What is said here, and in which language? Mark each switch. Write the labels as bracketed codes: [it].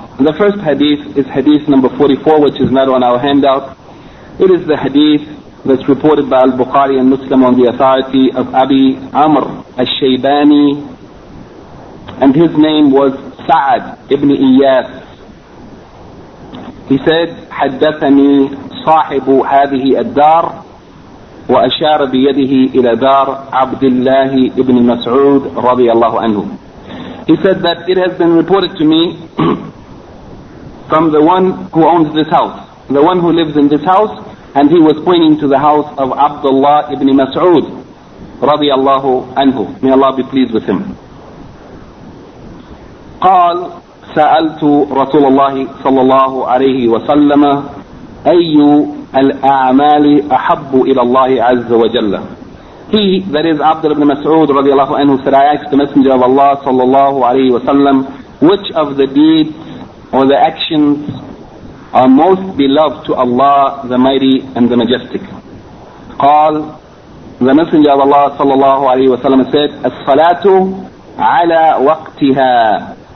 [en] The first hadith is hadith number 44, which is not on our handout. It is the hadith that's reported by Al-Bukhari and Muslim on the authority of Abi Amr al-Shaybani, and his name was Sa'ad ibn Iyas. He said, [ar] حدثني صاحب هذه الدار وأشار بيده إلى دار عبد الله ابن مسعود رضي الله عنه. [en] He said that it has been reported to me from the one who owns this house, the one who lives in this house, and he was pointing to the house of Abdullah ibn Mas'ud [ar] رضي الله عنه. [en] May Allah be pleased with him. [ar] قال سألت رسول الله صلى الله عليه وسلم أي الأعمال أحب إلى الله عز وجل. [en] He, that is Abdullah ibn Mas'ud [ar] رضي الله عنه, [en] said, I asked the Messenger of Allah [ar] صلى الله عليه وسلم, [en] which of the deeds or the actions are most beloved to Allah, the Mighty and the Majestic. [ar] قال, [en] the Messenger of Allah [ar] صلى الله عليه وسلم [en] said, [ar] الصلاة على وقتها.